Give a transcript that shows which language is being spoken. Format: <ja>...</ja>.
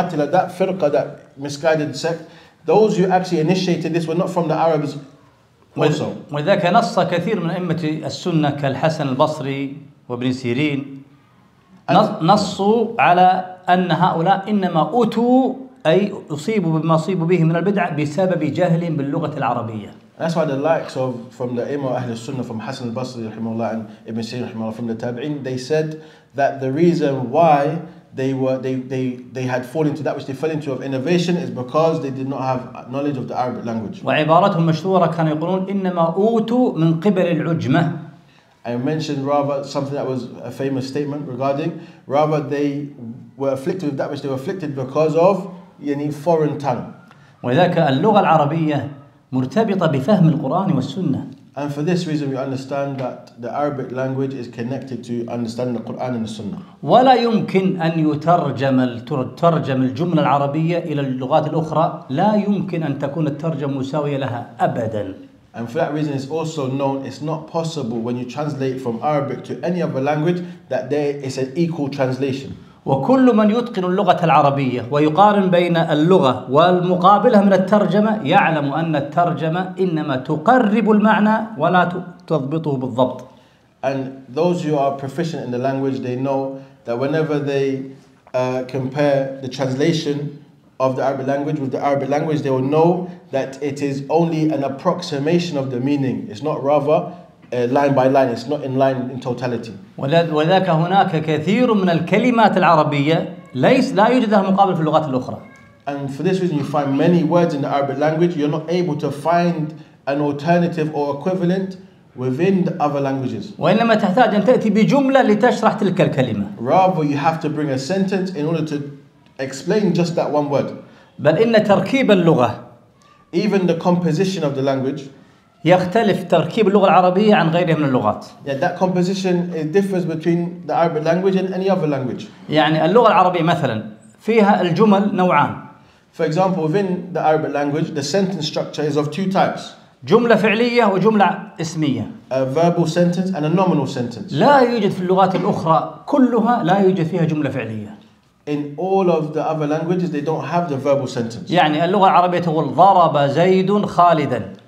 <en>That فرقة, that misguided sect. Those who actually initiated this were not from the Arabs also.</en> <ar>ولذلك نص كثير من أئمة السنة كالحسن البصري وابن سيرين نصوا على أن هؤلاء إنما أتوا أي أصيبوا بما أصيبوا به من البدع بسبب جهلهم باللغة العربية.</ar> <en>That's why the likes of from the Imam Ahl al-Sunnah, from Hassan al-Basri رحمه الله and Ibn Sirin رحمه الله, from the Tabi'in, they said that the reason why they had fallen into that which they fell into of innovation is because they did not have knowledge of the Arabic language.</en> <ar>وعبارتهم مشهورة كانوا يقولون إنما أوتوا من قبل العجمة.</ar> <en>I mentioned rather something that was a famous statement regarding rather they were afflicted with that which they were afflicted because of يعني foreign tongue.</en> <ar>ولذلك اللغة العربية مرتبطة بفهم القرآن والسنة.</ar> <en>And for this reason, we understand that the Arabic language is connected to understanding the Quran and the Sunnah.</en> <ar>ولا يمكن أن يترجم ترجم الجملة العربية إلى اللغات الأخرى. لا يمكن أن تكون الترجمة مساوية لها أبداً.</ar> <en>And for that reason, it's also known it's not possible when you translate from Arabic to any other language that there is an equal translation.</en> <ar>وكل من يتقن اللغة العربية ويقارن بين اللغة والمقابلة من الترجمة يعلم أن الترجمة إنما تقرب المعنى ولا تضبطه بالضبط.</ar> <en>And those who are proficient in the language, they know that whenever they compare the translation of the Arabic language with the Arabic language, they will know that it is only an approximation of the meaning. It's not rather line by line, it's not in line in totality.</en> <ar>ولذلك هناك كثير من الكلمات العربية ليس لا يوجد لها مقابل في اللغات الأخرى.</ar> <en>And for this reason, you find many words in the Arabic language, you're not able to find an alternative or equivalent within the other languages.</en> <ar>وإنما تحتاج أن تأتي بجملة لتشرح تلك الكلمة.</ar> <en>Rather, you have to bring a sentence in order to explain just that one word.</en> <ar>بل إن تركيب اللغة,</ar> <en>even the composition of the language,</en> <ar>يختلف تركيب اللغة العربية عن غيرها من اللغات.</ar> <en>Yeah, that composition differs between the Arabic language and any other language.</en> <ar>يعني اللغة العربية مثلا فيها الجمل نوعان.</ar> <en>For example, within the Arabic language, the sentence structure is of two types.</en> <ar>جملة فعلية وجملة اسمية.</ar> <en>A verbal sentence and a nominal sentence.</en> <ar>لا يوجد في اللغات الأخرى كلها لا يوجد فيها جملة فعلية.</ar> <en>In all of the other languages, they don't have the verbal sentence.</en> <ar>يعني اللغة العربية تقول ضرب زيد خالدا.</ar>